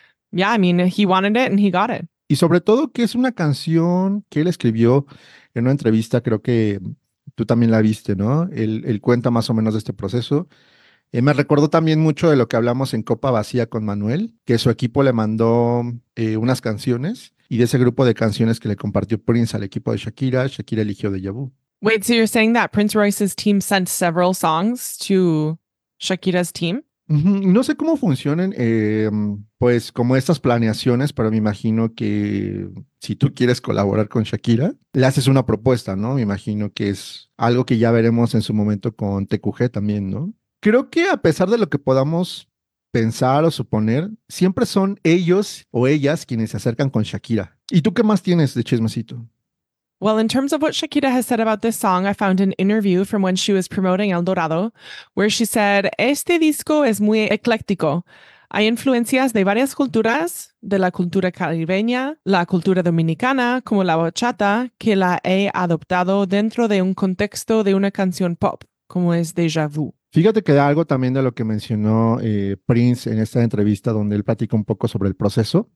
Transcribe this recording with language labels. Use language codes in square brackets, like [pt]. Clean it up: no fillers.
[en] Yeah, I mean, he wanted it and he got it. [es] Y sobre todo que es una canción que él escribió en una entrevista, creo que tú también la viste, ¿no? Él cuenta más o menos de este proceso. Me recordó también mucho de lo que hablamos en Copa Vacía con Manuel, que su equipo le mandó unas canciones, y de ese grupo de canciones que le compartió Prince al equipo de Shakira, Shakira eligió Deja Vu. [en] Wait, so you're saying that Prince Royce's team sent several songs to Shakira's team? Uh-huh. [es] No sé cómo funcionen, pues como estas planeaciones, pero me imagino que si tú quieres colaborar con Shakira, le haces una propuesta, ¿no? Me imagino que es algo que ya veremos en su momento con TQG también, ¿no? Creo que a pesar de lo que podamos pensar o suponer, siempre son ellos o ellas quienes se acercan con Shakira. ¿Y tú qué más tienes de chismecito? [en] Well, in terms of what Shakira has said about this song, I found an interview from when she was promoting El Dorado, where she said, [es] este disco es muy ecléctico. Hay influencias de varias culturas, de la cultura caribeña, la cultura dominicana, como la bachata, que la he adoptado dentro de un contexto de una canción pop, como es Deja Vu. Fíjate que da algo también de lo que mencionó Prince en esta entrevista donde él platica un poco sobre el proceso.